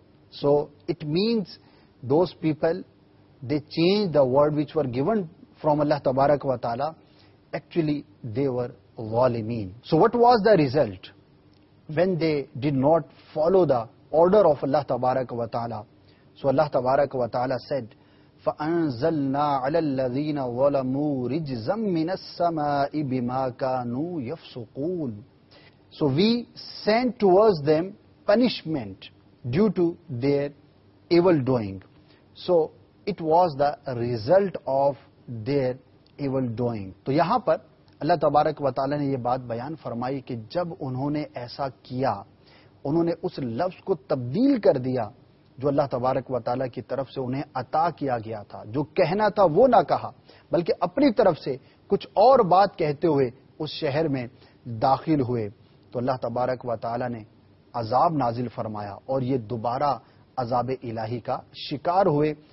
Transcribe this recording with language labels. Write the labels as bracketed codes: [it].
[en] So it means those people, they changed the word which were given from Allah Tabarak wa Ta'ala. Actually, they were zalimeen. So what was the result? When they did not follow the order of Allah Tabarak wa Ta'ala, so Allah Tabarak wa Ta'ala said, [ar] فأنزلنا على الذين ظلموا رجزا من السماء بما كانوا يفسقون. [en] So we sent towards them punishment due to their evil doing. So it was the result of their evil doing. [ur] تو یہاں پر اللہ تبارک و تعالی نے یہ بات بیان فرمائی کہ جب انہوں نے ایسا کیا, انہوں نے اس لفظ کو تبدیل کر دیا جو اللہ تبارک و تعالی کی طرف سے انہیں عطا کیا گیا تھا, جو کہنا تھا وہ نہ کہا بلکہ اپنی طرف سے کچھ اور بات کہتے ہوئے اس شہر میں داخل ہوئے, تو اللہ تبارک و تعالی نے عذاب نازل فرمایا اور یہ دوبارہ عذاب الہی کا شکار ہوئے.